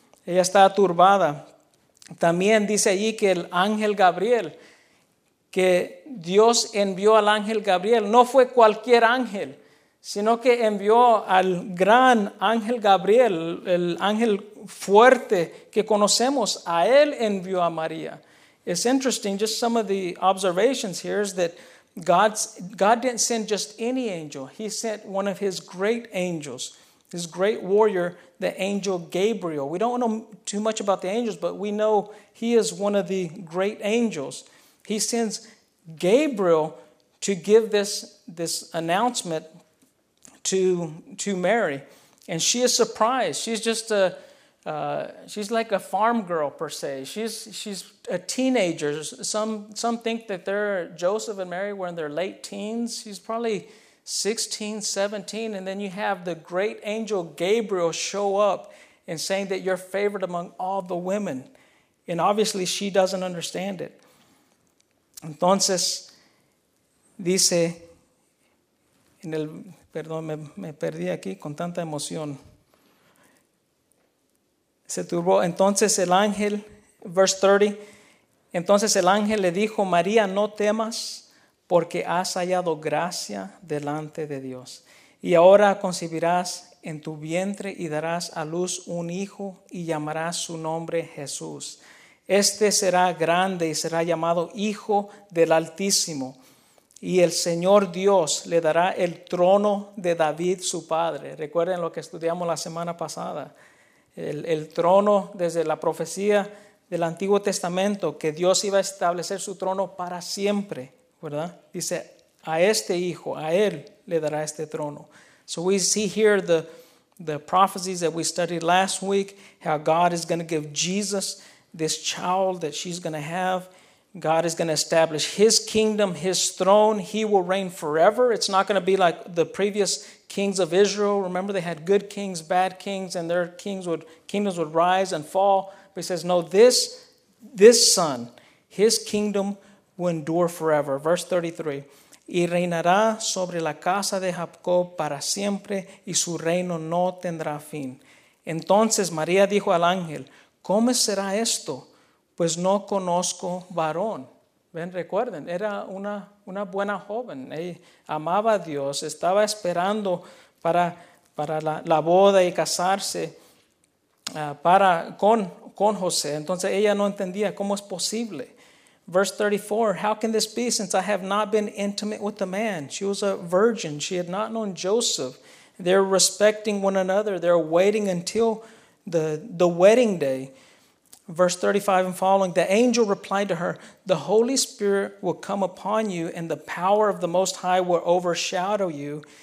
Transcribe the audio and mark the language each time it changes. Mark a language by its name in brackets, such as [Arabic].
[Spanish] Ella está turbada. También dice allí que el ángel Gabriel, que Dios envió al ángel Gabriel, no fue cualquier ángel, sino que envió al gran ángel Gabriel, el ángel fuerte que conocemos, a él envió a María. [English] It's interesting, just some of the observations here is that God didn't send just any angel. He sent one of his great angels, his great warrior, the angel Gabriel. We don't know too much about the angels, but we know he is one of the great angels. He sends Gabriel to give this announcement to Mary. And she is surprised. She's just a she's like a farm girl per se. She's a teenager. Some think that they're Joseph and Mary were in their late teens. She's probably 16, 17, and then you have the great angel Gabriel show up and saying that you're favored among all the women. And obviously she doesn't understand it. [Spanish] Entonces dice en el perdón, me perdí aquí con tanta emoción. Se turbó. Entonces el ángel, verse 30, entonces el ángel le dijo, María, no temas, porque has hallado gracia delante de Dios. Y ahora concebirás en tu vientre y darás a luz un hijo y llamarás su nombre Jesús. Este será grande y será llamado Hijo del Altísimo. Y el Señor Dios le dará el trono de David, su padre. Recuerden lo que estudiamos la semana pasada. El trono desde la profecía del Antiguo Testamento, que Dios iba a establecer su trono para siempre, ¿verdad? Dice, a este hijo, a él le dará este trono. [English] So we see here the prophecies that we studied last week, how God is going to give Jesus this child that she's going to have. God is going to establish his kingdom, his throne. He will reign forever. It's not going to be like the previous kings of Israel. Remember, they had good kings, bad kings, and their kingdoms would rise and fall. But he says, no, this son, his kingdom will endure forever. Verse 33, [Spanish] y reinará sobre la casa de Jacob para siempre, y su reino no tendrá fin. Entonces María dijo al ángel, ¿cómo será esto? Pues no conozco varón. Ven, recuerden, era una buena joven. Ella amaba a Dios, estaba esperando para la boda y casarse con José. Entonces ella no entendía cómo es posible. [English] Verse 34, how can this be since I have not been intimate with the man? She was a virgin. She had not known Joseph. They're respecting one another. They're waiting until the wedding day. Verse 35 and following, the angel replied to her, the Holy Spirit will come upon you and the power of the Most High will overshadow you.